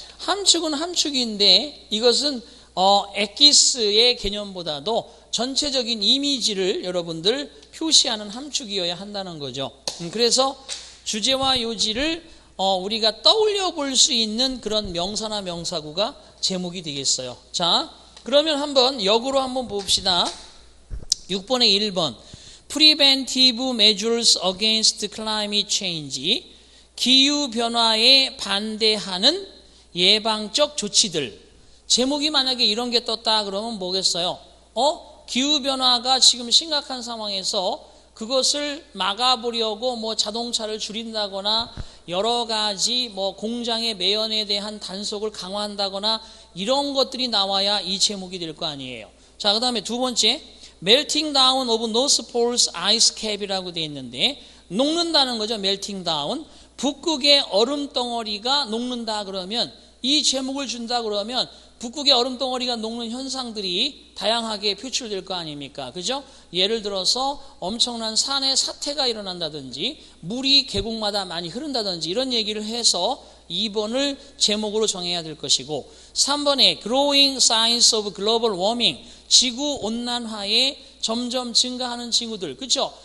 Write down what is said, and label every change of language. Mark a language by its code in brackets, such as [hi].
[ko] 함축은 함축인데 이것은 엑기스의 개념보다도 전체적인 이미지를 여러분들 표시하는 함축이어야 한다는 거죠. 그래서 주제와 요지를 우리가 떠올려 볼 수 있는 그런 명사나 명사구가 제목이 되겠어요. 자, 그러면 한번 역으로 한번 봅시다. 6번에 1번. [en] Preventive measures against climate change. [ko] 기후 변화에 반대하는 예방적 조치들. 제목이 만약에 이런 게 떴다 그러면 뭐겠어요? 기후 변화가 지금 심각한 상황에서 그것을 막아보려고 뭐 자동차를 줄인다거나 여러 가지 뭐 공장의 매연에 대한 단속을 강화한다거나 이런 것들이 나와야 이 제목이 될 거 아니에요. 자, 그다음에 두 번째. [en] Melting down of North Pole's ice cap이라고 [ko] 돼 있는데 녹는다는 거죠. [en] Melting down. [ko] 북극의 얼음 덩어리가 녹는다 그러면 이 제목을 준다 그러면 북극의 얼음 덩어리가 녹는 현상들이 다양하게 표출될 거 아닙니까? 그죠? 예를 들어서 엄청난 산의 사태가 일어난다든지 물이 계곡마다 많이 흐른다든지 이런 얘기를 해서 2번을 제목으로 정해야 될 것이고 3번에 [en] Growing Signs of Global Warming [ko] 지구온난화에 점점 증가하는 징후들 그죠?